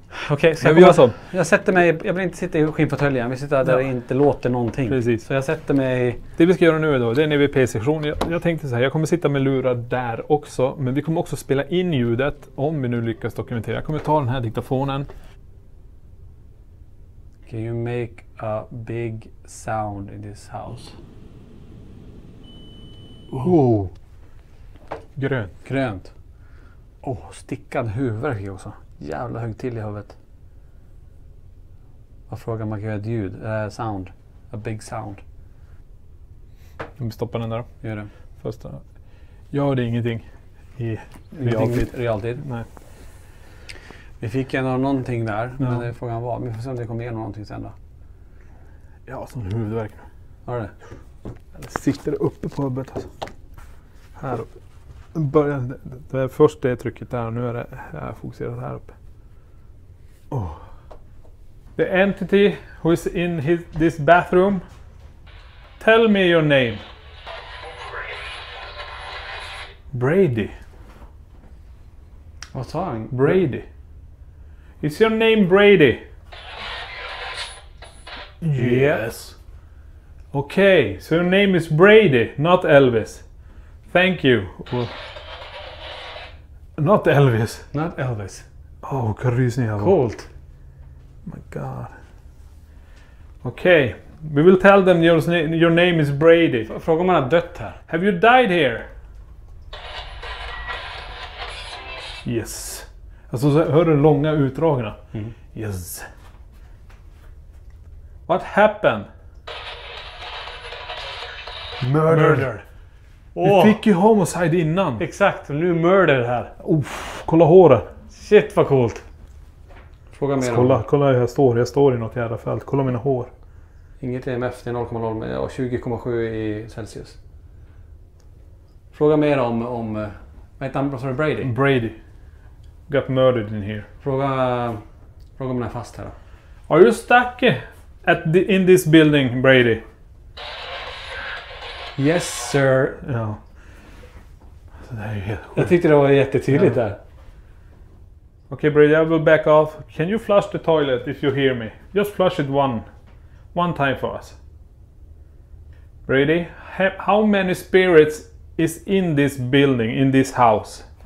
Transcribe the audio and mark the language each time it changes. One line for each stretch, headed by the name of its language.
Swedish: Okej, okay, så jag sätter mig, jag vill inte sitta i skinnfåtöljen, vi sitter där det inte låter någonting. Precis. Så jag sätter mig. Det vi ska göra nu då, det är en EVP-session. Jag tänkte så här, jag kommer sitta med lurar där också, men vi kommer också spela in ljudet om vi nu lyckas dokumentera. Jag kommer ta den här diktafonen.
English: Can you make a big sound in this house?
Swedish: Oh. Grönt. Grönt. Åh, oh, stickad huvudvärk också. Jävla högt till i huvudet. Vad frågar man kan göra ett ljud?
English: Sound. A big sound.
Swedish: Vi stoppar den där då. Gör det. Första. Jag hörde ingenting i realtid. Nej. Vi fick en av någonting där. Ja. Men det är frågan var. Vi får se om det kommer igenom någonting sen då. Ja, som huvudvärk. Har det? Jag sitter uppe på huvudet alltså. Här uppe. Början, det är först det trycket där och nu är det här fokuserat här uppe. Oh.
English: The entity who is in this bathroom. Tell me your name. Brady.
Swedish: Vad sa han?
English: Brady. Is your name Brady? Yes. Okay, so your name is Brady, not Elvis. Thank you. Well, not Elvis. Not Elvis.
Swedish: Åh, oh, vad rysning jag var. Coolt.
English: My god. Okay. We will tell them your name is Brady.
Swedish: Fråga om han har dött här.
English: Have you died here? Yes.
Swedish: Alltså, så hör du långa utdragna. Mm.
English: Yes. What happened? Murder.
Swedish: Oh. Vi fick ju homicide innan. Exakt, nu murder här. Uff, kolla håret. Shit, vad coolt. Fråga mer. Kolla hur jag står. Jag står i något jävla fält. Kolla mina hår. Inget EMF, det är 0,0 men 20,7 i Celsius. Fråga mer om vad heter han, sorry, Brady?
English: Brady. Got murdered in here.
Swedish: Fråga om den är fast här.
English: Are you stuck in this building, Brady? Yes, sir.
Swedish: Ja. Jag tyckte det var jättetydligt där.
English: Okay, Brady, I will back off. Can you flush the toilet if you hear me? Just flush it one time for us. Brady, how many spirits is in this building, in this house?